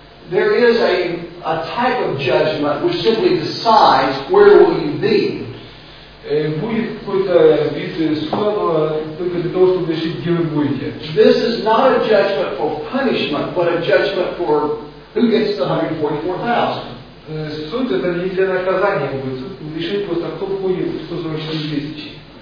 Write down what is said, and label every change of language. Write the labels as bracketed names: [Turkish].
[English] There is a type of judgment which simply decides where will you be. [Russian] будет какой-то вид судного только для того, чтобы решить, где вы будете. [English] This is not a judgment for punishment, but a judgment for who gets the 144,000. [Russian] Суд это не для наказания будет, решить просто кто будет 144,000.